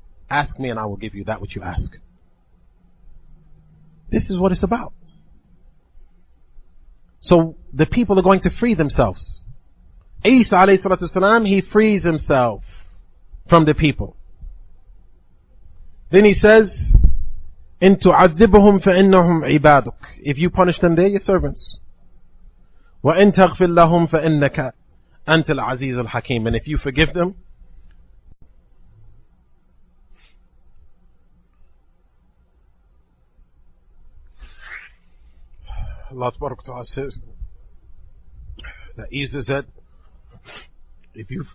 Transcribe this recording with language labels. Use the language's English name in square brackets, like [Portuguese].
[English] Ask me and I will give you that which you ask. This is what it's about. So the people are going to free themselves. Isa alayhi salatu wasalam, he frees himself from the people. Then he says, [Arabic] إِن تُعَذِّبْهُمْ فَإِنَّهُمْ عِبَادُكَ. [English] If you punish them, they're your servants. [Arabic] وَإِن تَغْفِرْ لَهُمْ فَإِنَّكَ أَنْتَ الْعَزِيزُ الْحَكِيمُ. [English] And if you forgive them, Allah Tabarak Ta'ala says that Isa said, if